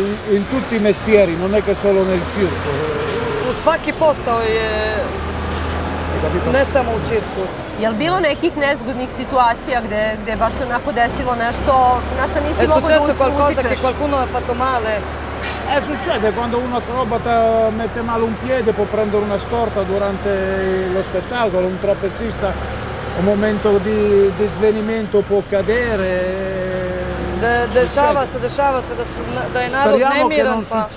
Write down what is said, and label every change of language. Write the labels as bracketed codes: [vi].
[it] In tutti i mestieri, non è che solo nel circo. [sr] U svaki posao je... Ne samo u cirkus. Jel bilo nekih nezgodnih situacija gde baš se onako desilo nešto na šta nisi mogao da utičeš? [it] E successo qualcosa che qualcuno ha fatto male? E succede quando un acrobata mette male un piede, può prendere una scorta durante lo spettacolo, un trapezista, un momento di svenimento può cadere. [sr] Dešava se da je narod nemiran, pa...